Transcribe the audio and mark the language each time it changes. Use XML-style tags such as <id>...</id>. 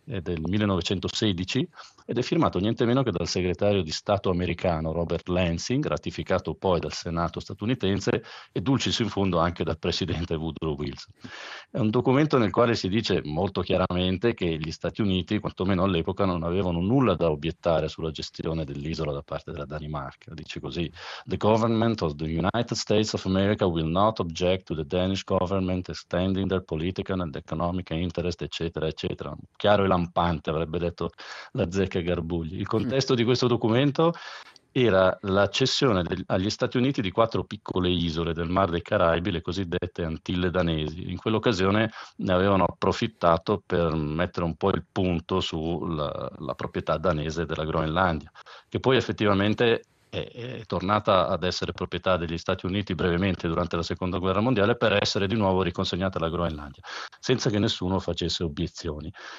<it>È del 1916 ed è firmato niente meno che dal segretario di Stato americano Robert Lansing, ratificato poi dal Senato statunitense e dulcis in fondo anche dal presidente Woodrow Wilson. È un documento nel quale si dice molto chiaramente che gli Stati Uniti, quantomeno all'epoca, non avevano nulla da obiettare sulla gestione dell'isola da parte della Danimarca. Dice così:</it> <en>"The government of the United States of America will not object to the Danish government extending their political and economic interest,"</en> <it>eccetera, eccetera. Chiaro e lampante, avrebbe detto la zecca Garbugli. Il contesto di questo documento era la cessione agli Stati Uniti di quattro piccole isole del Mar dei Caraibi, le cosiddette Antille danesi. In quell'occasione ne avevano approfittato per mettere un po' il punto sulla proprietà danese della Groenlandia, che poi effettivamente è tornata ad essere proprietà degli Stati Uniti brevemente durante la Seconda Guerra Mondiale per essere di nuovo riconsegnata alla Groenlandia, senza che nessuno facesse obiezioni.</it>